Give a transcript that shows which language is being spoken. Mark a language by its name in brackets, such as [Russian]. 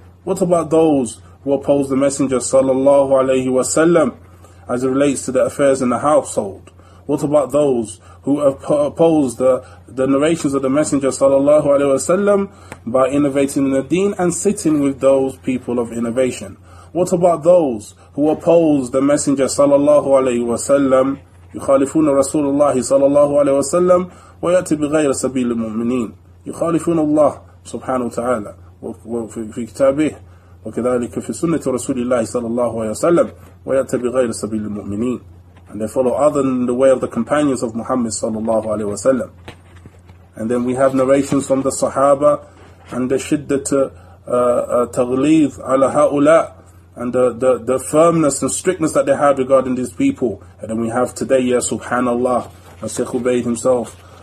[English] What about those who oppose the Messenger sallallahu alaihi wasallam as it relates to the affairs in the household? What about those who oppose the narrations of the Messenger sallallahu alaihi wasallam by innovating in the deen and sitting with those people of innovation? What about those who oppose the Messenger sallallahu alaihi wasallam, [Arabic] يُخَالِفُونَ رَسُولَ اللَّهِ صَلَى اللَّهُ عَلَيْهِ وَسَلَّمُ وَيَأْتِ بِغَيْرَ سَبِيلِ الْمُؤْمِنِينَ يُخَالِفُونَ اللَّهِ سُبْحَانَهُ وَتَعَالَى وَفِي كِتَابِهِ وَكَذَلِكَ فِي سُنَّةِ رَسُولِ اللَّهِ صَلَى اللَّهُ عَلَيْهِ وَسَلَّمُ وَيَأْتِ بِغَيْرَ سَبِيلِ الْمُؤْمِنِينَ. [English] And they follow other than the way of the companions of Muhammad [Arabic] صلى الله عليه وسلم. [English] And then we have narrations from the Sahaba and the [Arabic] shiddat taghlid ala haula, [English] and the firmness and strictness that they had regarding these people. And then we have today, yes, subhanallah, Sheikh Ubaid himself,